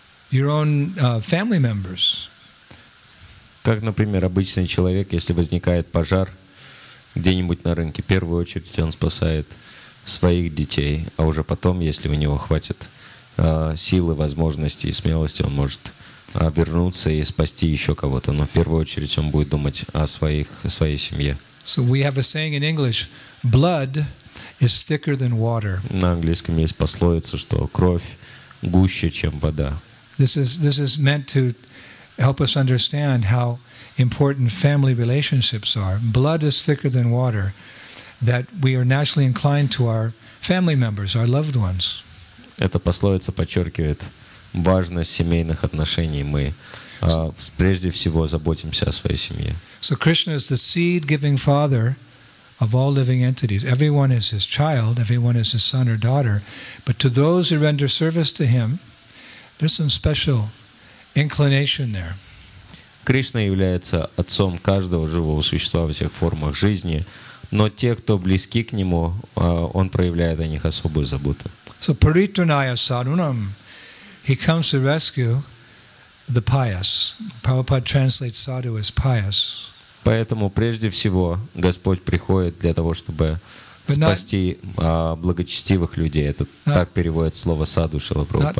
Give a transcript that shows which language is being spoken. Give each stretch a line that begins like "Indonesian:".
English: Your own family members.
Russian: Как, например, обычный человек, если возникает пожар где-нибудь на рынке, в первую очередь он спасает своих детей, а уже потом, если у него хватит силы, возможности и смелости, он может вернуться и спасти еще кого-то. Но в первую очередь он будет думать о своей семье.
English: So we have a saying in English: blood is thicker than water.
Russian: На английском есть пословица, что кровь гуще, чем вода.
English: This is meant to help us understand how important family relationships are. Blood is thicker than water, that we are naturally inclined to our family members, our loved ones.
Russian: Эта пословица подчеркивает важность семейных отношений. Мы прежде всего заботимся о своей семье.
English: So Krishna is the seed-giving father of all living entities. Everyone is his child, everyone is his son or daughter. But to those who render service to him, there's some special inclination there.
Russian: Кришна является отцом каждого живого существа во всех формах жизни, но те, кто близки к нему, он проявляет о них особую заботу.
English: So
Sanskrit: paritranaya sadunam,
English: he comes to rescue the pious. Prabhupada translates sadhu as pious.
Russian: Поэтому прежде всего Господь приходит для того, чтобы спасти благочестивых людей. Это так переводит слово саду Шрила Прабхупада.